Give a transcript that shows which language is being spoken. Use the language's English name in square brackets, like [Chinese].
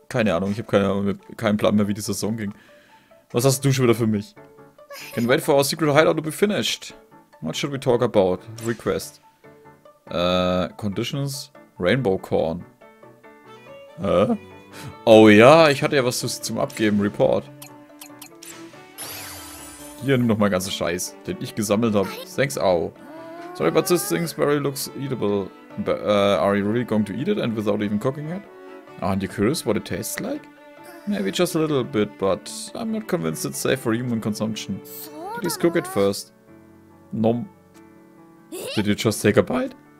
[German] Keine Ahnung, ich habe keinen Plan mehr, wie dieser Song ging. Was hast du schon wieder für mich? [English] Can wait for our secret hideout to be finished. What should we talk about? Request. Conditions? Rainbow Corn. [German] Oh ja, ich hatte ja was zum Abgeben. Report. Hier, nimm noch mal ganzen Scheiß, den ich gesammelt habe. [English] Thanks, au. Sorry, but this thing's very looks eatable. But, are you really going to eat it and without even cooking it? Aren't you curious what it tastes like? Maybe just a little bit, but I'm not convinced it's safe for human consumption. Did you cook it first? Nom. Did you just take a bite?